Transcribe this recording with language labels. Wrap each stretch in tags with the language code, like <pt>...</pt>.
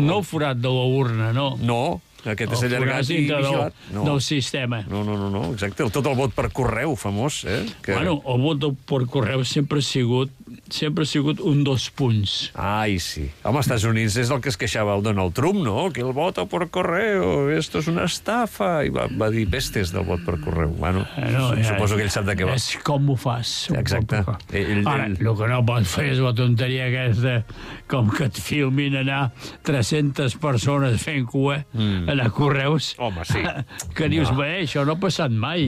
<ca>No forat de la urna, no. No, aquest és allargat i vigilat. Del sistema. No, exacte, tot el vot per correu famós, eh? Que... Bueno, el vot per correu sempre ha sigut... sempre ha sigut un dos punts. Ai, sí. Home, als Estats Units és el que es queixava el Donald Trump, no?</ca> <es>Que el voto por correo, esto es una estafa.</es> <ca>I va dir pestes del vot per correu. Bueno, suposo que ell sap de què va. És com ho fas. Exacte. El que no pots fer és la tonteria aquesta, com que et filmin anar 300 persones fent cua a correus. Home, sí. Que dius, bé, això no ha passat mai.</ca>